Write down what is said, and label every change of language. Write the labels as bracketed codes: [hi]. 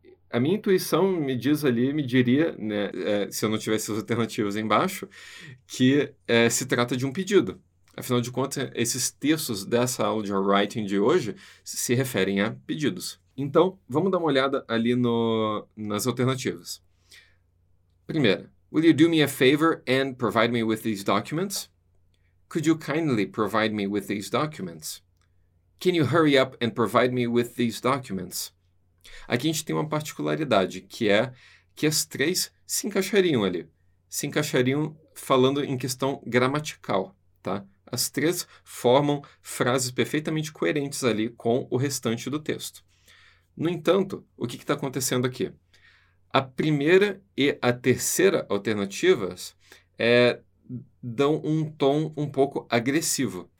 [pt] A minha intuição me diz ali, me diria, né, se eu não tivesse as alternativas aí embaixo, que se trata de um pedido. Afinal de contas, esses textos dessa aula de writing de hoje se referem a pedidos. Então, vamos dar uma olhada ali nas alternativas. [en] Primeira, will you do me a favor and provide me with these documents? Could you kindly provide me with these documents? Can you hurry up and provide me with these documents? [pt] Aqui a gente tem uma particularidade, que é que as três se encaixariam ali. Se encaixariam falando em questão gramatical, tá? As três formam frases perfeitamente coerentes ali com o restante do texto. No entanto, o que está acontecendo aqui? A primeira e a terceira alternativas dão um tom um pouco agressivo.